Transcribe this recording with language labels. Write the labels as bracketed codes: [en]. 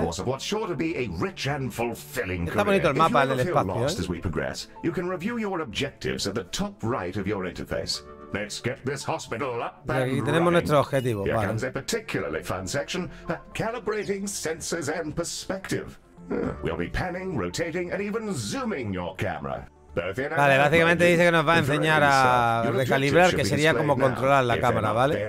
[es] Está bonito el mapa en el espacio, ¿eh? [en] As we progress, you can review your objectives at the top right of your interface. Let's get this hospital up and running. [es] Y aquí tenemos nuestro objetivo, ¿vale? [en] Here comes a particularly fun section, calibrating sensors and perspective. We'll be panning, rotating and even zooming your camera. [es] Vale, básicamente dice que nos va a enseñar a recalibrar, que sería como controlar la cámara, ¿vale?